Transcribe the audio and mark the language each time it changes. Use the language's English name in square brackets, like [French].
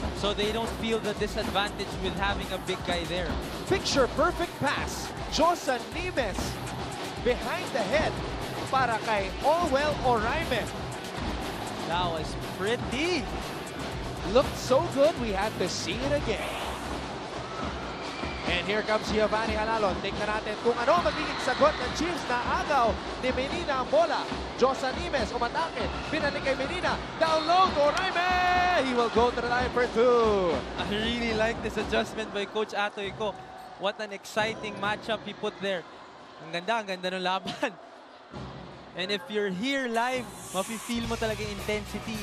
[English] So they don't feel the disadvantage with having a big guy there. Picture perfect pass. Josa Nimes behind the head para kay Allwell Oraime. That was pretty. Looked so good, we had to see it again. And here comes Giovanni Halalon. [Filipino] Tingnan natin kung ano magiging sagot ng Chiefs na agaw ni Menina ang bola. Josa Nimes umatake. Pinalik kay Menina. Down low to Oraime. [English] He will go to the line for two. I really like this adjustment by Coach Atoy ko. What an exciting matchup he put there. [Filipino] Ang ganda ng laban. [English] And if you're here live, [Filipino] mapifeel mo talaga yung intensity.